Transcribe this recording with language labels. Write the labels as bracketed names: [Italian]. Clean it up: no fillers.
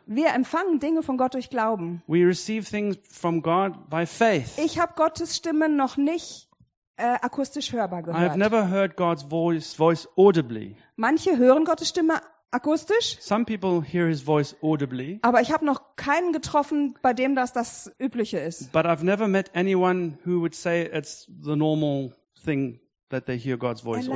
[German] Wir empfangen Dinge von Gott durch Glauben. [English] We receive things from God by faith. [German] Ich habe Gottes Stimme noch nicht akustisch hörbar gehört. [English] I have never heard God's voice audibly. [German] Manche hören Gottes Stimme akustisch. [English] Some people hear his voice audibly. [German] Aber ich habe noch keinen getroffen, bei dem das übliche ist. [English] But I've never met anyone who would say it's the normal thing that they hear God's voice audibly.